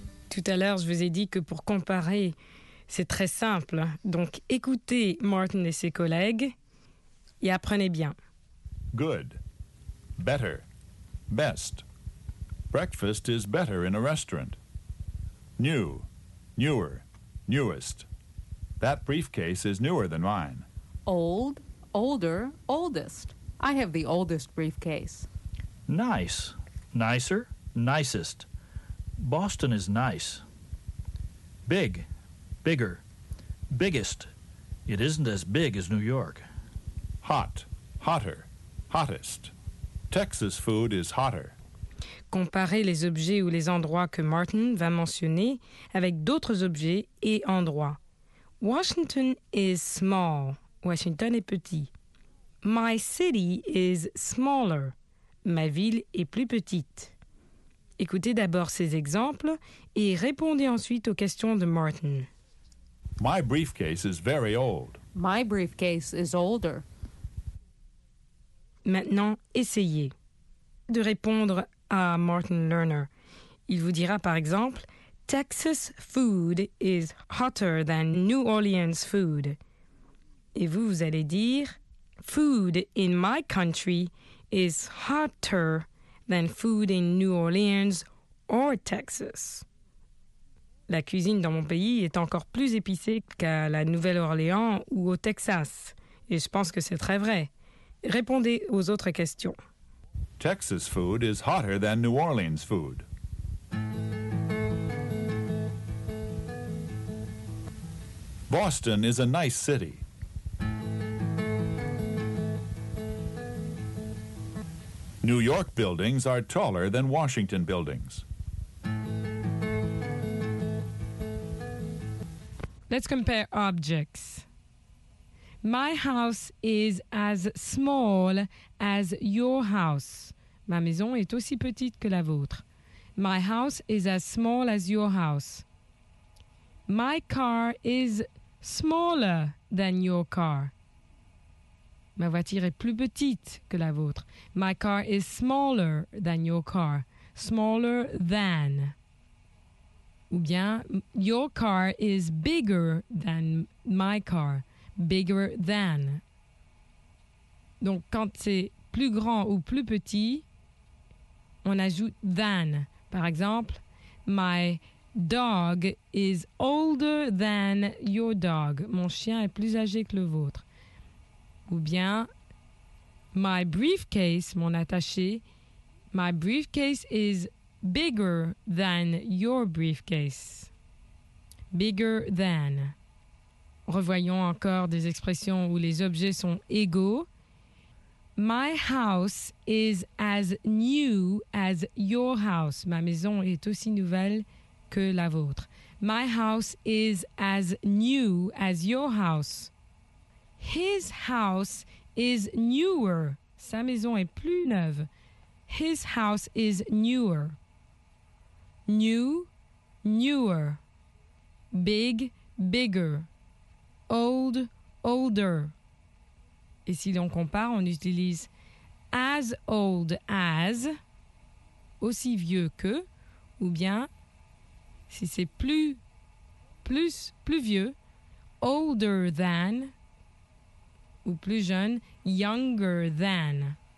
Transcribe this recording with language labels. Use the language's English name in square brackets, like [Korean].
[French] Tout à l'heure, je vous ai dit que pour comparer, c'est très simple. Donc, écoutez Martin et ses collègues et apprenez bien. [English] Good. Better. Best. Breakfast is better in a restaurant. New. Newer. Newest. That briefcase is newer than mine. Old. Older. Oldest. I have the oldest briefcase. Nice. Nicer. Nicest. Boston is nice. Big. Bigger. Biggest. It isn't as big as New York. Hot. Hotter. Hottest. Texas food is hotter. [French] Comparez les objets ou les endroits que Martin va mentionner avec d'autres objets et endroits. [English] Washington is small. [French] Washington est petit. [English] My city is smaller. [French] Ma ville est plus petite. Écoutez d'abord ces exemples et répondez ensuite aux questions de Martin. [English] My briefcase is very old. My briefcase is older. [French] Maintenant, essayez de répondre à Martin Lerner. Il vous dira par exemple, [English] Texas food is hotter than New Orleans food. [French] Et vous, vous allez dire, [English] food in my country is hotter than food in New Orleans or Texas. [French] La cuisine dans mon pays est encore plus épicée qu'à la Nouvelle-Orléans ou au Texas. Et je pense que c'est très vrai. Répondez aux autres questions. [English] Texas food is hotter than New Orleans food. Boston is a nice city. New York buildings are taller than Washington buildings. Let's compare objects. My house is as small as your house. [French] Ma maison est aussi petite que la vôtre. [English] My house is as small as your house. My car is smaller than your car. [French] Ma voiture est plus petite que la vôtre. [English] My car is smaller than your car. Smaller than. [French] Ou bien, [English] your car is bigger than my car. Bigger than. [French] Donc, quand c'est plus grand ou plus petit, on ajoute than. Par exemple, [English] my dog is older than your dog. [French] Mon chien est plus âgé que le vôtre. Ou bien, [English] my briefcase, [French] mon attaché, [English] my briefcase is bigger than your briefcase. Bigger than. [French] Revoyons encore des expressions où les objets sont égaux. [English] My house is as new as your house. [French] Ma maison est aussi nouvelle que la vôtre. [English] My house is as new as your house. His house is newer. [French] Sa maison est plus neuve. [English] His house is newer. New, newer. Big, bigger. Old, older. [French] Et si l'on compare, on utilise [English] as old as, [French] aussi vieux que, ou bien, si c'est plus vieux, [English] older than, [French] ou plus jeune, [English] younger than.